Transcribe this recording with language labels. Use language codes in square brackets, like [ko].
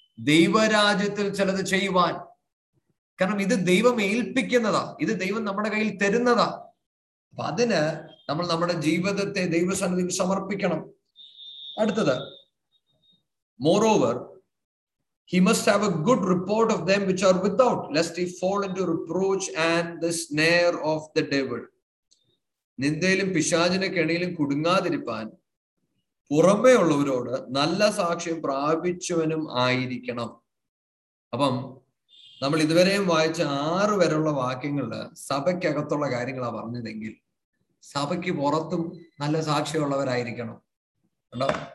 [ml] ദൈവരാജ്യത്തിൽ ചിലത് ചെയ്യുവാൻ. കാരണം ഇത് ദൈവം ഏൽപ്പിക്കുന്നതാ, ഇത് ദൈവം നമ്മുടെ കയ്യിൽ തരുന്നതാ. അപ്പൊ അതിന് നമ്മൾ നമ്മുടെ ജീവിതത്തെ ദൈവസന്നിധിയിൽ സമർപ്പിക്കണം. അടുത്തത്, moreover [en] He must have a good report of them which are without, lest he fall into reproach and the snare of the devil. [ml] നിന്ദയിലും പിശാചിന്റെ കെണിയിലും കുടുങ്ങാതിരിപ്പാൻ പുറമേ ഉള്ളവരോട് നല്ല സാക്ഷ്യം പ്രാപിച്ചവനും ആയിരിക്കണം. അപ്പം നമ്മൾ ഇതുവരെയും വായിച്ച ആറ് വരെയുള്ള വാക്യങ്ങള് സഭയ്ക്കകത്തുള്ള കാര്യങ്ങളാണ് പറഞ്ഞതെങ്കിൽ സഭയ്ക്ക് പുറത്തും നല്ല സാക്ഷ്യമുള്ളവരായിരിക്കണം. ഉണ്ടോ?